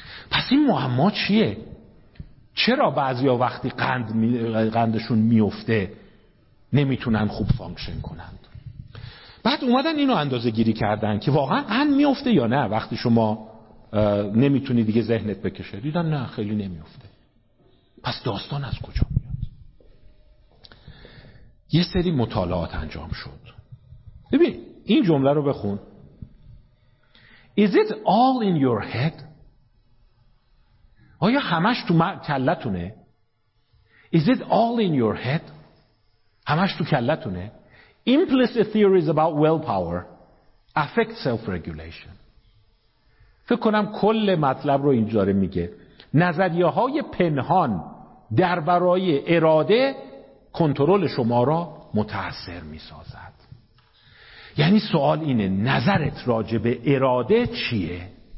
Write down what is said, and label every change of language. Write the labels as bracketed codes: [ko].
[fa] پس این معما چیه؟ چرا بعضیا وقتی قندشون میفته نمیتونن خوب فانکشن کنند؟ بعد اومدن اینو اندازه گیری کردن که واقعا قند میفته یا نه وقتی شما نمیتونی دیگه ذهنت بکشه. دیدن نه خیلی نمیفته. پس داستان از کجا میاد؟ یه سری مطالعات انجام شد. ببین این جمله رو بخون. [en] Is it all in your head؟ [fa] آیا همش تو کلتونه؟ [en] Is it all in your head؟ [fa] همش تو کلتونه؟ [en] Implicit theories about willpower affect self-regulation. [fa] فکر کنم کل مطلب رو اینجا داره میگه. نظریه‌های پنهان در برای اراده کنترل شما را متأثر می‌سازد. یعنی سوال اینه نظرت راجع به اراده چیه؟